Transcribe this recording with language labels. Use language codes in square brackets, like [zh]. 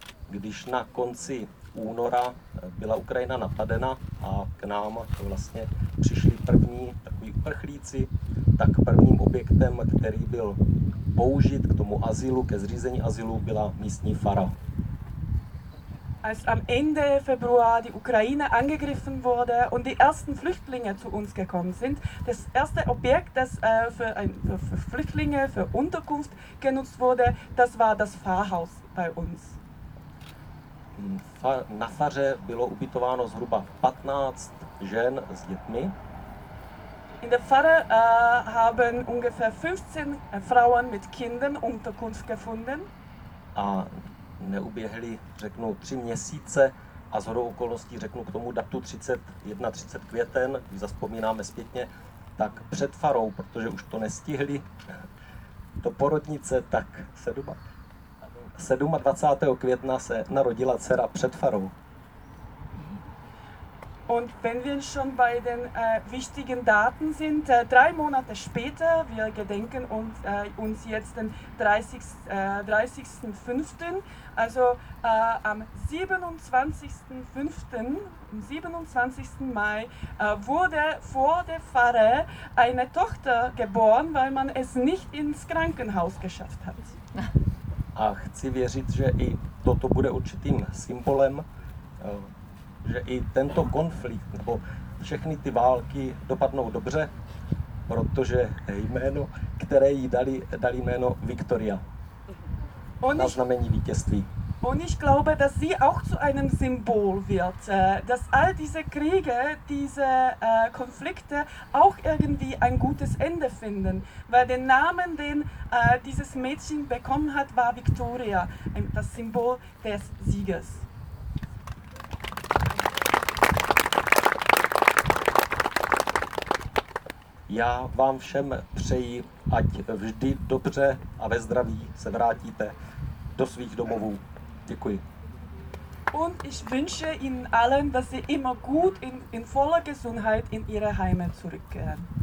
[cs] Když na konci února byla Ukrajina napadena a k nám vlastně přišli první takoví uprchlíci, tak prvním objektem, který byl použit k tomu azylu, ke zřízení azylu, byla místní fara. [de] Als am Ende Februar die Ukraine angegriffen wurde und die ersten Flüchtlinge zu uns gekommen sind, das erste Objekt, das für Flüchtlinge, für Unterkunft genutzt wurde, das war das Pfarrhaus bei uns. [cs] Na faře bylo ubytováno zhruba 15 žen s dětmi. [de] In der Pfarre haben ungefähr 15 Frauen mit Kindern Unterkunft gefunden. [cs] A neuběhly, řeknu, 3 měsíce a shodou okolností řeknu k tomu datu 31. květen, když zaspomínáme zpětně, tak před farou, protože už to nestihli, to porodnice, tak 27. května se narodila dcera před farou. [de] Und wenn wir schon bei den wichtigen Daten sind, 3 Monate später, wir gedenken uns jetzt den 30.5., also am 27.5., am 27. Mai, wurde vor der Pfarre eine Tochter geboren, weil man es nicht ins Krankenhaus geschafft hat. [cs] A chci věřit, že i toto bude určitým symbolem, že i tento konflikt, nebo všechny ty války dopadnou dobře, protože jméno, které jí dali jméno Viktoria. Na znamení vítězství. [de] Und ich glaube, dass sie auch zu einem Symbol wird, dass all diese Kriege, diese Konflikte auch irgendwie ein gutes Ende finden. Weil der Name, den dieses Mädchen bekommen hat, war Viktoria, das Symbol des Sieges. [cs] Já vám všem přeji, ať vždy dobře a ve zdraví se vrátíte do svých domovů. Děkuji. [de] Und ich wünsche Ihnen allen, dass Sie immer gut in voller Gesundheit in Ihre Heimat zurückkehren.